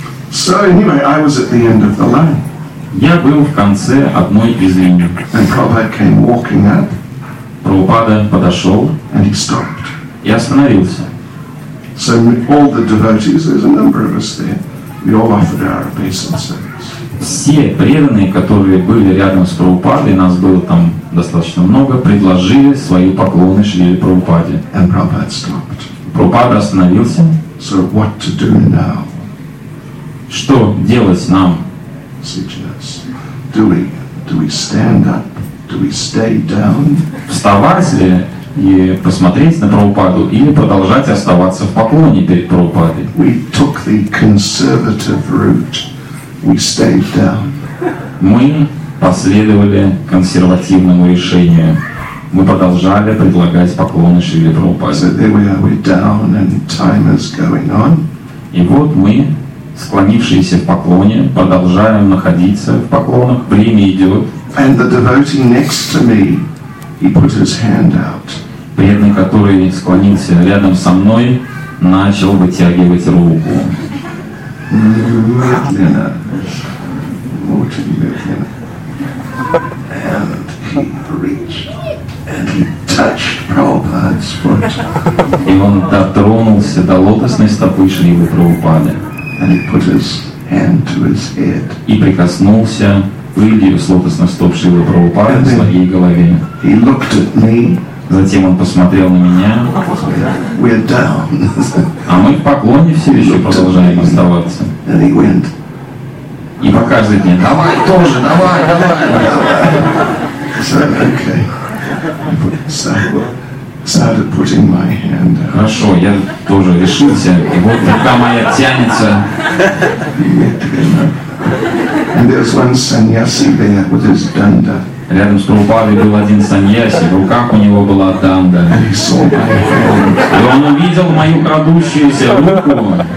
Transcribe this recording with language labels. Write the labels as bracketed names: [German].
[English] So anyway, I was at the end of the line. [Russian] Я был в конце одной из линий. [English] And Prabhupada came walking up. [Russian] Прабхупада подошел. [English] And he stopped. [Russian] И остановился. [English] So all the devotees, there's a number of us there. We all offered our obeisances. [Russian] Все преданные, которые были рядом с Прабхупадой, нас было там достаточно много, предложили свои поклоны Шриле Прабхупаде. [English] And Prabhupada stopped. [Russian] Прабхупада остановился. [English] So what to do now? [Russian] Что делать нам? Сейчас. [English] Do we stand up? Do we stay down? [Russian] Вставать ли и посмотреть на Прабхупаду или продолжать оставаться в поклоне перед Прабхупадой? [English] We took the conservative route. We stayed down. [Russian] Мы последовали консервативному решению. Мы продолжали предлагать поклоны Шриле Прабхупаде. [English] So there we are, we're down and time is going on. [Russian] И вот мы, склонившиеся в поклоне, продолжаем находиться в поклонах. Время идет. [English] And the devotee next to me, he put his hand out. [Russian] Преданный, который склонился рядом со мной, начал вытягивать руку. Медленно. Очень медленно. [English] And he reached. And he touched Prabhupada's foot. [Russian] И он дотронулся до лотосной стопы Шрилы Прабхупады. [English] and he put his hand to his head. [Russian] И прикоснулся пылью с лотосных стоп Шрилы Прабхупады к своей голове. [English] He looked at me. [Russian] Затем он посмотрел на меня. [English] We're down. [Russian] А мы в поклоне все еще продолжаем оставаться. [English] And he went. [Russian] И показывает мне: давай тоже, давай, давай. [English] Okay. Started putting my hand out. [Russian] Хорошо, я тоже решился, и вот рука моя тянется. [English] And there's one sannyasi there with his danda. [Russian] Рядом с Прабхупадой был один саньяси, в руках у него была данда. И он увидел мою крадущуюся руку.